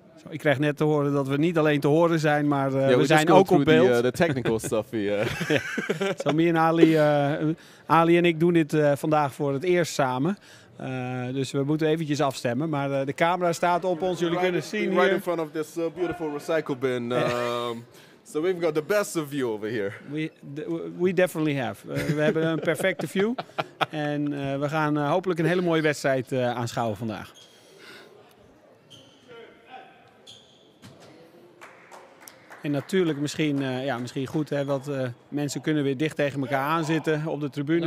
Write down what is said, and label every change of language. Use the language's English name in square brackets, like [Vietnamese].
[Dutch] Ik krijg net te horen dat we niet alleen te horen zijn, maar we zijn ook op beeld. De technical stuff hier. Zo, me en Ali, Ali en ik doen dit vandaag voor het eerst samen. Dus we moeten eventjes afstemmen. Maar de camera staat op ons. Jullie kunnen zien hier. [English] Right in front of this beautiful recycle bin. So we've got the best of view over here. We definitely have. [Dutch] We hebben een perfecte view. En we gaan hopelijk een hele mooie wedstrijd aanschouwen vandaag. En natuurlijk misschien goed, hè, want mensen kunnen weer dicht tegen elkaar aanzitten op de tribune.